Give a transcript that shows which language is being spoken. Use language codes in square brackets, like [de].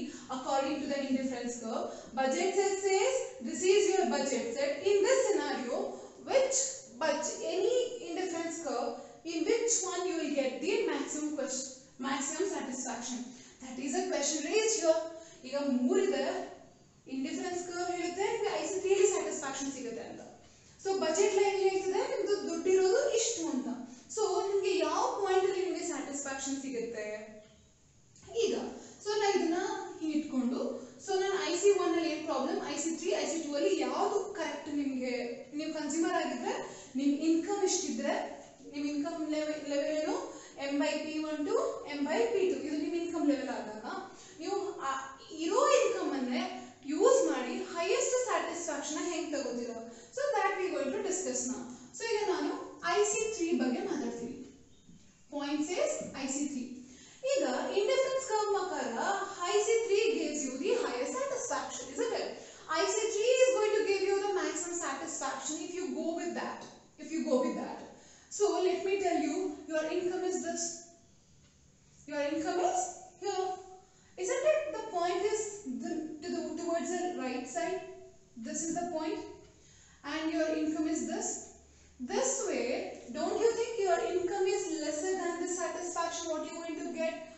[en] according to the indifference curve. Budget cell says, this is your budget cell. In this scenario, which budget, any indifference curve, in which one you will get the maximum question, maximum satisfaction? That is a question raised here. [kn] ಈಗ ಮೂರಿದರೆ indifference curve ಇರುತ್ತೆ, ಐಸಿಟಿಯಲ್ಲಿ satisfaction ಸಿಗುತ್ತೆ ಅಂತ. So budget line ಹೇಳ್ತಿದೆ ನಿಮ್ದು ದುಡ್ಡು ಇರೋದು ಇಷ್ಟು ಅಂತ. So ನಿಮ್ಗೆ ಯಾವ ಪಾಯಿಂಟಲ್ಲಿ ನಿಮಗೆ ಸ್ಯಾಟಿಸ್ಫ್ಯಾಕ್ಷನ್ ಸಿಗುತ್ತೆ ಈಗ. ಸೊ ನಾನು ಇದನ್ನ ಹೀಗೆ ಇಟ್ಕೊಂಡು, ಸೊ ನಾನು ಐ ಸಿ ಒನ್ ಅಲ್ಲಿ ಏನು problem, I C three, I C two ಅಲ್ಲಿ ಯಾವುದು ಕರೆಕ್ಟ್, ನಿಮಗೆ ನೀವು ಕನ್ಸ್ಯೂಮರ್ ಆಗಿದ್ರೆ ನಿಮ್ ಇನ್ಕಮ್ ಇಷ್ಟಿದ್ರೆ ನಿಮ್ ಇನ್ಕಮ್ ಲೆವೆಲ್ ಏನು, M by P one to M by P to, ಇದು ನಿಮ್ ಇನ್ಕಮ್ ಲೆವೆಲ್ ಆದಾಗ ನೀವು ಇರೋ ಇನ್ಕಮ್ ಅಂದ್ರೆ ಯೂಸ್ ಮಾಡಿ ಹೈಯೆಸ್ಟ್ ಸ್ಯಾಟಿಸ್ಫ್ಯಾಕ್ಷನ್ ಹೆಂಗ್ ತಗೋತೀರ. [en] So that we going to discuss now. So [kn] ಈಗ ನಾನು ಐ ಸಿ ತ್ರೀ ಬಗ್ಗೆ ಮಾತಾಡ್ತೀನಿ. [en] Point is I C three. [kn] ಈಗ ಇಂಡಿಫರೆನ್ಸ್ ಕರ್ವ್ ಪ್ರಕಾರ [en] I C three gives you the highest satisfaction, is it? I C three is going to give you the maximum satisfaction if you go with that, if you go with that. So let me tell you, your income is this, your income is, isn't it? The point is towards the right side. This is the point and your income is this. This way, don't you think your income is lesser than the satisfaction what you're going to get?